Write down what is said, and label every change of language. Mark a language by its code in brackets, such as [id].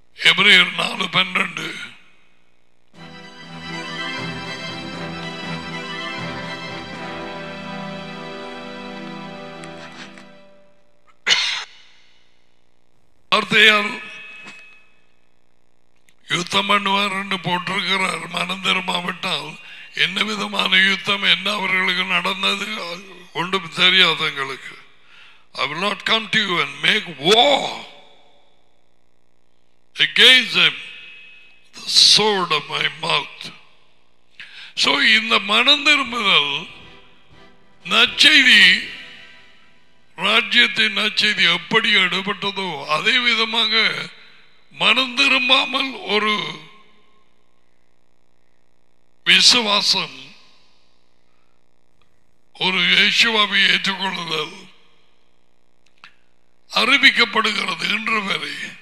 [ta] எபிரேயர் 4:12 வார்த்தையால் யுத்தம் பண்ணுவார் என்று போட்டிருக்கிறார். மனம் திரும்பாவிட்டால் என்ன விதமான யுத்தம் என்ன அவர்களுக்கு நடந்தது ஒன்றும் தெரியாது எங்களுக்கு. [en] I will not come to you and make war against them the sword of my mouth. [ta] So இந்த மனம் திரும்புதல் நற்செய்தி ராஜ்யத்தின் நச்செய்தி எப்படி எடுபட்டதோ அதே விதமாக மனம் திரும்பாமல் ஒரு விசுவாசம் ஒரு இயேசுவை ஏற்றுக்கொள்ளுதல் அறிவிக்கப்படுகிறது இன்று வரை.